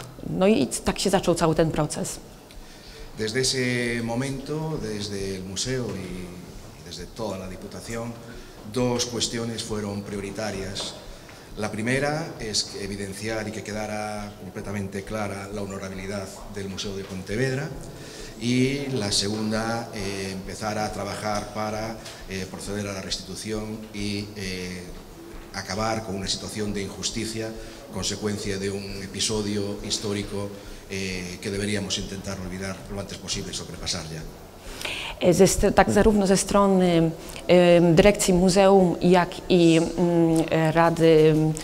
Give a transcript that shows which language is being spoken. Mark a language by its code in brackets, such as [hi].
[pl] No i tak się zaczął cały ten proces. [es] Desde ese momento, desde el museo y desde toda la Diputación, dos cuestiones fueron prioritarias. La primera es evidenciar y que quedara completamente clara la honorabilidad del Museo de Pontevedra y la segunda, empezar a trabajar para proceder a la restitución y acabar con una situación de injusticia, consecuencia de un episodio histórico que deberíamos intentar olvidar lo antes posible, sobrepasar ya. [pl] Tak zarówno ze strony dyrekcji muzeum, jak i Rady